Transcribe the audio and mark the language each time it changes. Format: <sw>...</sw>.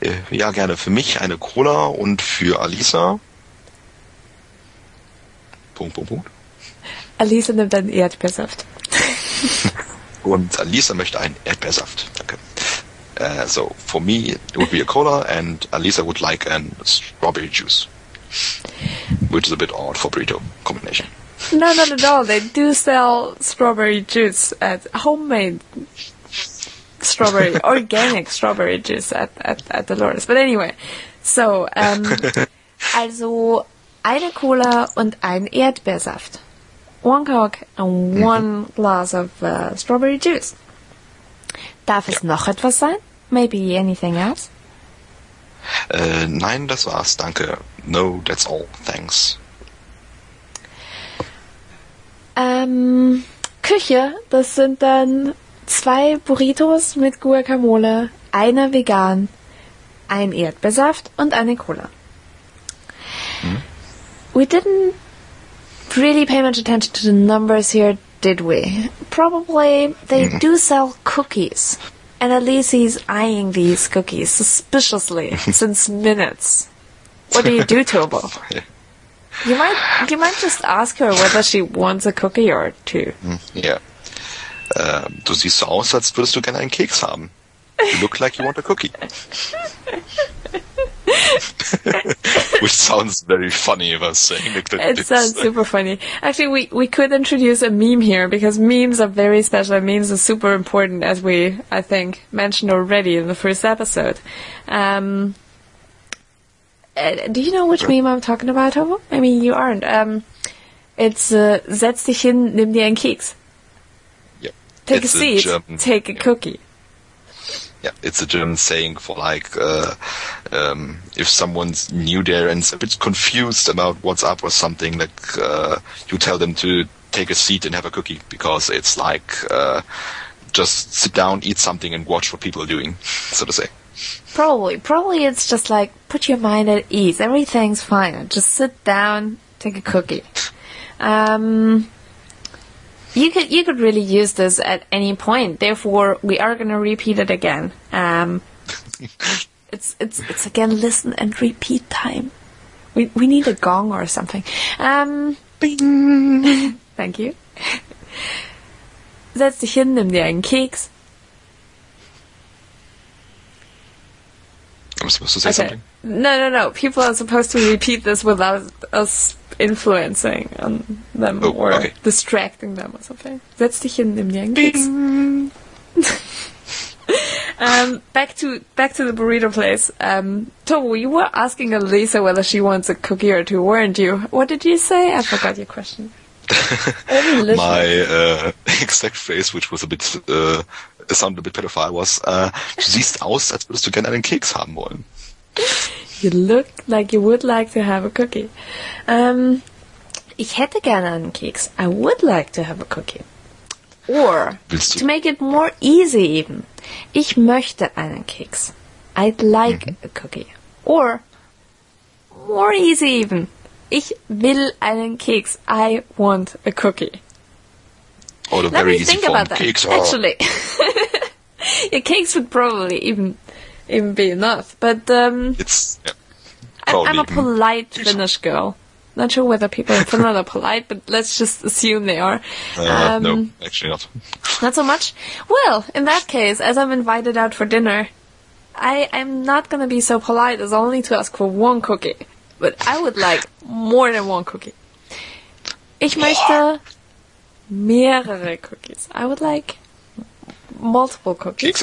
<de>Ja, gerne. Für mich eine Cola und für Alisa Punkt, Punkt, Punkt. Alisa nimmt einen Erdbeersaft. Und Alisa möchte einen Erdbeersaft. Danke.</de> <en>So, for me, it would be a cola and Alisa would like a strawberry juice. Which is a bit odd for burrito combination. No, not at all. They do sell strawberry juice at homemade strawberry, organic strawberry juice at Dolores. But anyway, so,</en> <de>also eine Cola und ein Erdbeersaft.</de> <en>One Coke and one glass of strawberry juice.</en> <de>Darf es noch etwas sein?</de> <en>Maybe anything else?</en> <de>Nein, das war's. Danke.</de> <en>No, that's all. Thanks.</en> <de>Küche, das sind dann zwei Burritos mit Guacamole, einer vegan, ein Erdbeersaft und eine Cola.</de> <en>We didn't really pay much attention to the numbers here, did we? Probably they do sell cookies. And Elise is eyeing these cookies suspiciously since minutes. What do you do, Tobo? You might just ask her whether she wants a cookie or two. Yeah.</en> <de>Du siehst so aus, als würdest du gerne einen Keks haben.</de> <en>You look like you want a cookie. Which sounds very funny if I'm saying it. It sounds super funny. Actually, we could introduce a meme here, because memes are very special. Memes are super important, as we, I think, mentioned already in the first episode. Do you know which meme I'm talking about, Hobo? I mean, you aren't.</en> <de>It's Setz dich hin, nimm dir einen Keks.</de> <en>Yep. Take it's a seat, German, take a cookie. Yeah, it's a German saying for like, if someone's new there and a bit confused about what's up or something, like, you tell them to take a seat and have a cookie, because it's like, just sit down, eat something, and watch what people are doing, so to say. Probably it's just like, put your mind at ease, everything's fine, just sit down, take a cookie. You could really use this at any point. Therefore, we are going to repeat it again. It's again listen and repeat time. We need a gong or something. Thank you.</en> <de>Setz dich hin, nimm dir einen Keks.</de> <en>I'm supposed to say something? No. People are supposed to repeat this without us influencing on them distracting them or something.</en> <de>Setz dich hin, nimm dir einen Keks.</de> <en>back to the burrito place. Tobu, you were asking Elisa whether she wants a cookie or two, weren't you? What did you say? I forgot your question. My exact phrase, which was a bit sounded a bit pedophile, was</en> <de>du siehst aus, als würdest du gerne einen Keks haben wollen.</de> <en>You look like you would like to have a cookie.</en> <de>Ich hätte gerne einen Keks.</de> <en>I would like to have a cookie. Or, to make it more easy even,</en> <de>ich möchte einen Keks.</de> <en>I'd like a cookie. Or, more easy even,</en> <de>ich will einen Keks.</de> <en>I want a cookie. Or the very easy form, keks are... Actually, yeah, keks would probably even be enough. But I'm a polite Finnish girl. Not sure whether people in Finland are polite, but let's just assume they are. No, actually not. Not so much? Well, in that case, as I'm invited out for dinner, I'm not going to be so polite as only to ask for one cookie. But I would like more than one cookie.</en> <de>Ich möchte mehrere cookies.</de> <en>I would like multiple cookies.</en>